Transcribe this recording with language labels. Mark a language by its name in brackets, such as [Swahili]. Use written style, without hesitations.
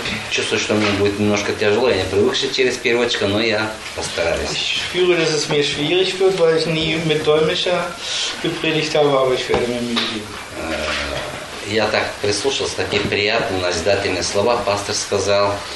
[Russian] Чувствую, что мне будет немножко тяжелее, я привык через переводчика, но я постараюсь. [German] Ich fühle, dass es mir schwierig wird, weil ich nie mit Dolmetscher gepredigt habe, aber ich werde mir Mühe geben. [Russian] Я так прислушался, такие приятные, назидательные слова, пастор сказал.